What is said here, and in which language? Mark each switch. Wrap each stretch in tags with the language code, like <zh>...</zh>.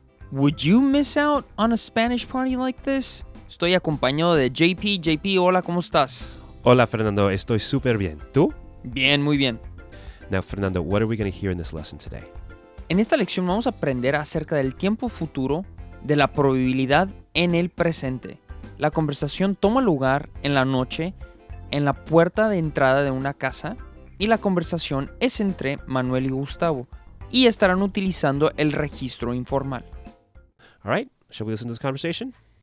<en>Would you miss out on a Spanish party like this?</en> <es>Estoy acompañado de JP. JP, hola, ¿cómo estás? Hola, Fernando. Estoy súper bien. ¿Tú? Bien, muy bien.</es> <en>Now, Fernando, what are we going to hear in this lesson today?</en> <es>En esta lección vamos a aprender acerca del tiempo futuro de la probabilidad en el presente. La conversación toma lugar en la noche en la puerta de entrada de una casa y la conversación es entre Manuel y Gustavo y estarán utilizando el registro informal.</es> <en>All right, shall we listen to this conversation?</en>